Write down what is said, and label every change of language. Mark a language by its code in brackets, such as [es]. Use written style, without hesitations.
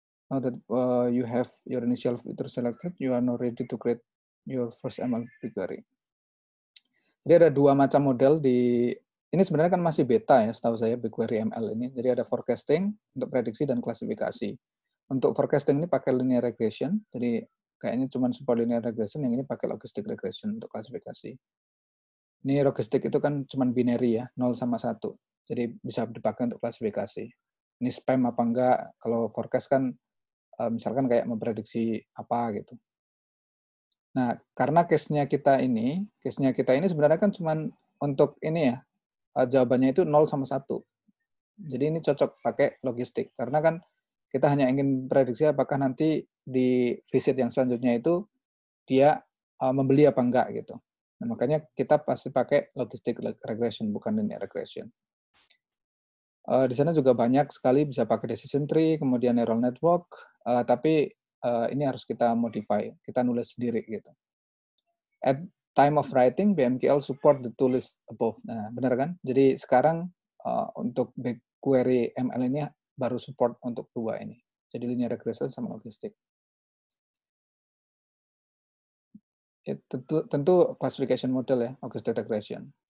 [en] Now that you have your initial feature selected, you are now ready to create your first ML BigQuery. [id] Jadi ada dua macam model di, ini sebenarnya kan masih beta ya setahu saya BigQuery ML ini. Jadi ada forecasting untuk prediksi dan klasifikasi. Untuk forecasting ini pakai linear regression, jadi kayaknya cuma support linear regression, yang ini pakai logistic regression untuk klasifikasi. Ini logistic itu kan cuma binary ya, 0 sama 1. Jadi bisa dipakai untuk klasifikasi. Ini spam apa enggak? Kalau forecast kan misalkan kayak memprediksi apa gitu. Nah, karena case-nya kita ini sebenarnya kan cuman untuk ini ya, jawabannya itu 0 sama 1. Jadi ini cocok pakai logistik. Karena kan kita hanya ingin prediksi apakah nanti di visit yang selanjutnya itu dia membeli apa enggak gitu. Nah, makanya kita pasti pakai logistik regression, bukan linear regression. Di sana juga banyak sekali bisa pakai decision tree, kemudian neural network, tapi ini harus kita modify, kita nulis sendiri gitu. [en] At time of writing, BMQL support the two list above. [id] Nah, benar kan? Jadi sekarang untuk BigQuery ML ini baru support untuk dua ini. Jadi linear regression sama logistik. Tentu classification model ya, logistic regression.